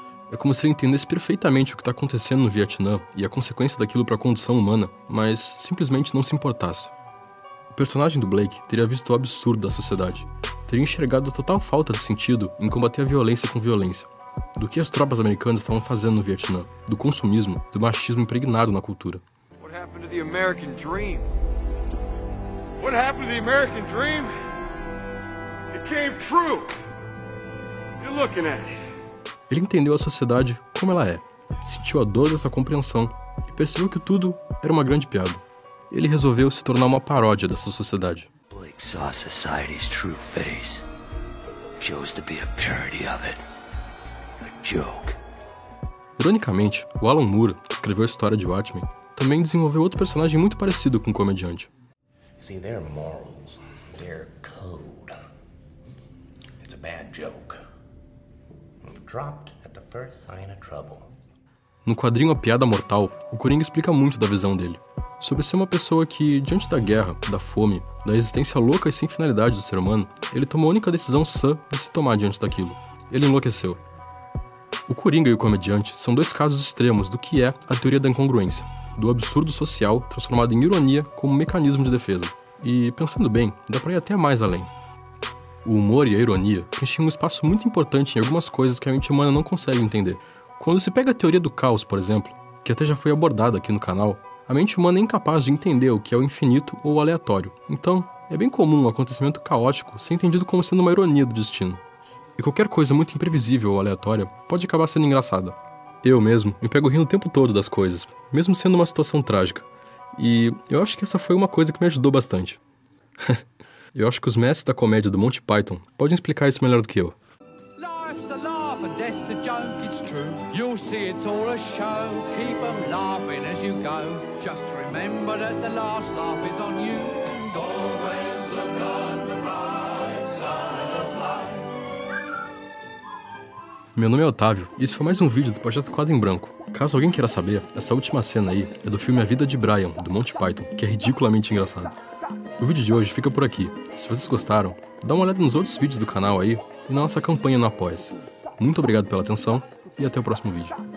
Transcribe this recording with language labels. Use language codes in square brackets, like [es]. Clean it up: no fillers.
[pt] É como se ele entendesse perfeitamente o que está acontecendo no Vietnã e a consequência daquilo para a condição humana, mas simplesmente não se importasse. O personagem do Blake teria visto o absurdo da sociedade, teria enxergado a total falta de sentido em combater a violência com violência, do que as tropas americanas estavam fazendo no Vietnã, do consumismo, do machismo impregnado na cultura. [en] What happened to the American dream? What happened to the American dream? It came true. You're looking at it. [pt] Ele entendeu a sociedade como ela é, sentiu a dor dessa compreensão e percebeu que tudo era uma grande piada. Ele resolveu se tornar uma paródia dessa sociedade. [en] Blake saw society's true face. Chose to be a parody of it. A joke. [pt] Ironicamente, o Alan Moore, que escreveu a história de Watchmen, também desenvolveu outro personagem muito parecido com o Comediante. [en] See, their morals, their code. It's a bad joke. Dropped at the first sign of trouble. [pt] No quadrinho A Piada Mortal, o Coringa explica muito da visão dele. Sobre ser uma pessoa que, diante da guerra, da fome, da existência louca e sem finalidade do ser humano, ele tomou a única decisão sã de se tomar diante daquilo. Ele enlouqueceu. O Coringa e o Comediante são dois casos extremos do que é a teoria da incongruência, do absurdo social transformado em ironia como mecanismo de defesa. E, pensando bem, dá pra ir até mais além. O humor e a ironia preenchem um espaço muito importante em algumas coisas que a mente humana não consegue entender. Quando se pega a teoria do caos, por exemplo, que até já foi abordada aqui no canal, a mente humana é incapaz de entender o que é o infinito ou o aleatório. Então, é bem comum um acontecimento caótico ser entendido como sendo uma ironia do destino. E qualquer coisa muito imprevisível ou aleatória pode acabar sendo engraçada. Eu mesmo me pego rindo o tempo todo das coisas, mesmo sendo uma situação trágica. E eu acho que essa foi uma coisa que me ajudou bastante. Eu acho que os mestres da comédia do Monty Python podem explicar isso melhor do que eu. [en] Life's a laugh and death's a joke, it's true. You'll see it's all a show. Keep 'em laughing as you go. Just remember that the last laugh is on you. Always look on the bright side of life. [pt] Meu nome é Otávio e esse foi mais um vídeo do Projeto Quadro em Branco. Caso alguém queira saber, essa última cena aí é do filme A Vida de Brian, do Monty Python, que é ridiculamente engraçado. O vídeo de hoje fica por aqui. Se vocês gostaram, dá uma olhada nos outros vídeos do canal aí e na nossa campanha no Apoia-se. Muito obrigado pela atenção e até o próximo vídeo.